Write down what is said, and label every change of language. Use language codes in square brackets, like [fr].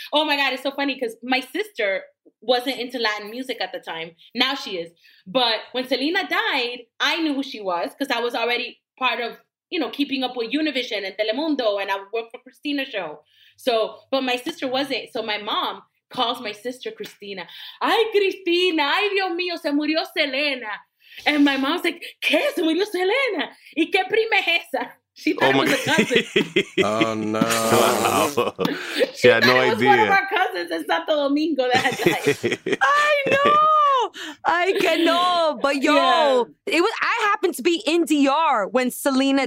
[en] Oh my God, it's so funny because my sister wasn't into Latin music at the time. Now she is. But when Selena died, I knew who she was because I was already part of, you know, keeping up with Univision and Telemundo, and I worked for Christina's show. So, but my sister wasn't. So my mom calls my sister Christina. Ay, Cristina. [es] Ay, Dios mío, se murió Selena. [en] And my mom's like, [es] ¿qué? Se murió Selena. ¿Y qué prima es esa? [en] She thought it was a cousin. Oh, no. She had no idea. It was one of our cousins in Santo Domingo that had died. I know. I cannot, but yo, yeah. It was. I happened to be in DR when Selena